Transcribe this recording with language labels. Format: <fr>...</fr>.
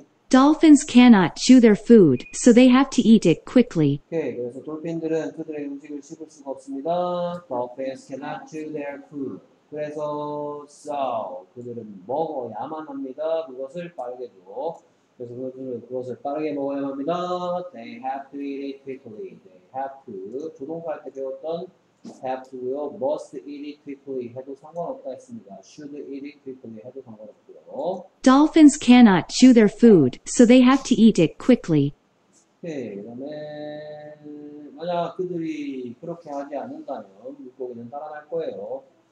<en>Dolphins cannot chew their food, so they have to eat it quickly.</en> <ko>Okay, 그래서 돌핀들은 그들의 음식을 씹을 수가 없습니다.</ko> <en>Dolphins cannot chew their food.</en> <ko>그래서 so 그들은 먹어야만 합니다. 그것을 빠르게 주고. 그래서 그들은 그것을 빠르게 먹어야 합니다.</ko> <en>They have to eat it quickly. They have to.</en> <ko>조동사 때 배웠던</ko> <en>have to요. Must eat it quickly</en> <ko>해도 상관없다 했습니다.</ko> <en>Should eat it quickly</en> <ko>해도 상관없고요.</ko> <en>Dolphins cannot chew their food, so they have to eat it quickly.</en> <ko>오케이. 그 다음에 만약 그들이 그렇게 하지 않는다면 물고기는 따라갈 거예요.</ko>